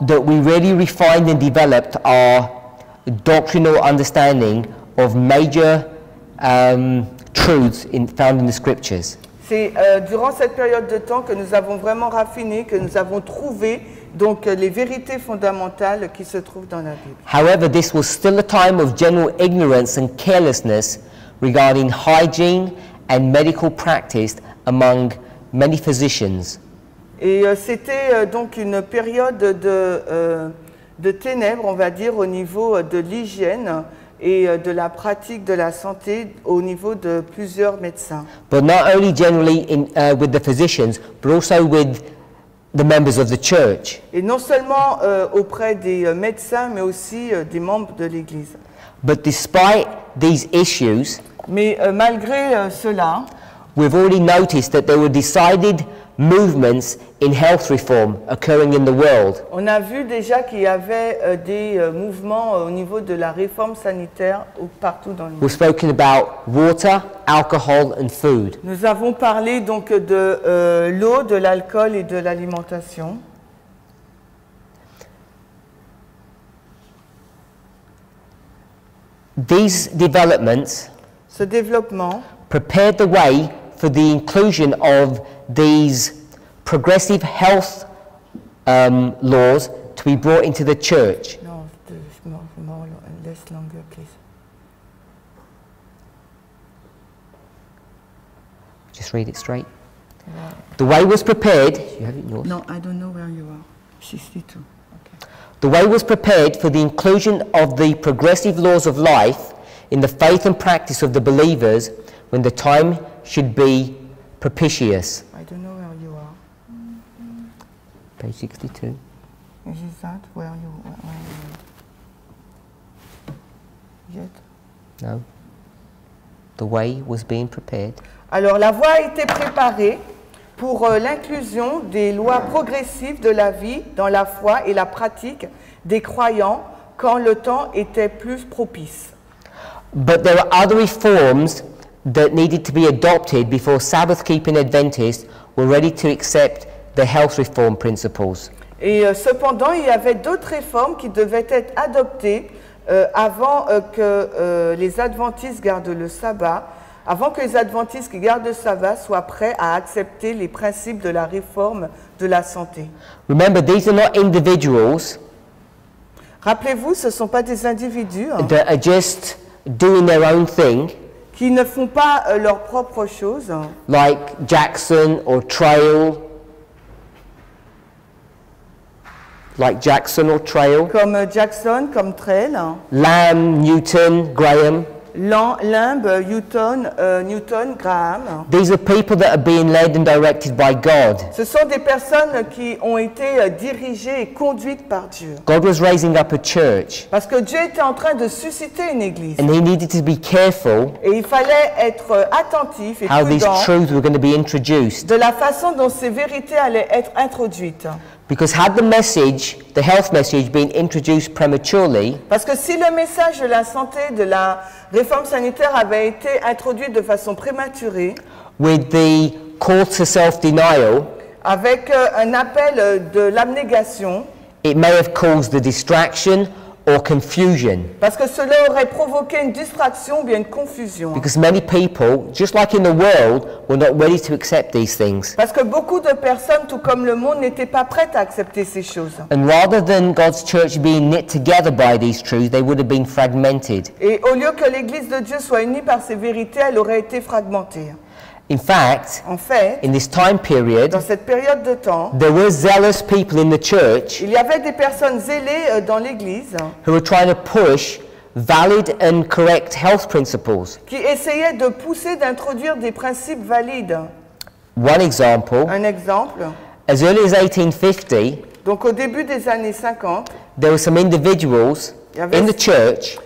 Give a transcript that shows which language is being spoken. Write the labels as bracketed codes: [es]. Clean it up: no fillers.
[en] that we really refined and developed our doctrinal understanding of major truths found in the scriptures. [fr] C'est durant cette période de temps que nous avons vraiment raffiné, que nous avons trouvé donc les vérités fondamentales qui se trouvent dans la Bible. [en] However, this was still a time of general ignorance and carelessness regarding hygiene and medical practice among many physicians. [fr] Et c'était donc une période de ténèbres, on va dire, au niveau de l'hygiène et de la pratique de la santé au niveau de plusieurs médecins. [en] But not only generally in with the physicians, but also with the members of the church. [fr] Et non seulement auprès des médecins, mais aussi des membres de l'Église. [en] But despite these issues, [fr] mais malgré cela, [en] we've already noticed that there were decided movements in health reform occurring in the world. [fr] On a vu déjà qu'il y avait des mouvements au niveau de la réforme sanitaire partout dans le monde. [en] We've spoken about water, alcohol and food. [fr] Nous avons parlé donc de l'eau, de l'alcool et de l'alimentation. [en] These developments [fr] ce développement [en] prepared the way for the inclusion of these progressive health laws to be brought into the church. No, more less longer, please. Just read it straight. Yeah. The way was prepared. You have it in yours? No, I don't know where you are. 62. Okay. The way was prepared for the inclusion of the progressive laws of life in the faith and practice of the believers when the time should be propitious. I don't know where you are. Page 62. Is that where you are? Yet? No. The way was being prepared. [fr] Alors, la voie a été préparée pour l'inclusion des lois progressives de la vie dans la foi et la pratique des croyants quand le temps était plus propice. [en] But there are other reforms that needed to be adopted before Sabbath-keeping Adventists were ready to accept the health reform principles. [fr] Et cependant, il y avait d'autres réformes qui devaient être adoptées avant que les Adventistes gardent le sabbat, avant que les Adventistes qui gardent le sabbat soient prêts à accepter les principes de la réforme de la santé. [en] Remember, these are not individuals. [fr] Rappelez-vous, ce sont pas des individus [en] that are just doing their own thing. [fr] Qui ne font pas leurs propres choses. [en] Like Jackson or Trail. Like Jackson or Trail. [fr] Comme Jackson, comme Trail. [en] Lamb, Newton, Graham. [fr] Lamb, Newton, Newton, Graham. [en] These are people that are being led and directed by God. [fr] Ce sont des personnes qui ont été dirigées et conduites par Dieu. [en] God was raising up a church. [fr] Parce que Dieu était en train de susciter une église. [en] And he needed to be careful. [fr] Et il fallait être attentif et [en] how [fr] prudent. [en] How these truths were going to be introduced. [fr] De la façon dont ces vérités allaient être introduites. [en] Because had the message, the health message, been introduced prematurely, [fr] parce que si le message de la santé de la réforme sanitaire avait été introduit de façon prématurée, [en] with the call to self-denial, [fr] avec un appel de l'abnégation, [en] it may have caused the distraction or confusion. [fr] Parce que cela aurait provoqué une distraction ou bien une confusion. [en] Because many people, just like in the world, were not ready to accept these things. [fr] Parce que beaucoup de personnes, tout comme le monde, n'étaient pas prêtes à accepter ces choses. [en] And rather than God's church being knit together by these truths, they would have been fragmented. [fr] Et au lieu que l'église de Dieu soit unie par ces vérités, elle aurait été fragmentée. [en] In fact, [fr] en fait, [en] in this time period, [fr] dans cette période de temps, [en] there were zealous people in the church, [fr] il y avait des personnes zélées dans l'église, [en] who were trying to push valid and correct health principles, [fr] qui essayaient de pousser d'introduire des principes valides. [en] One example, [fr] un exemple, [en] as early as 1850, [fr] donc au début des années 50, [en] there were some individuals in the church,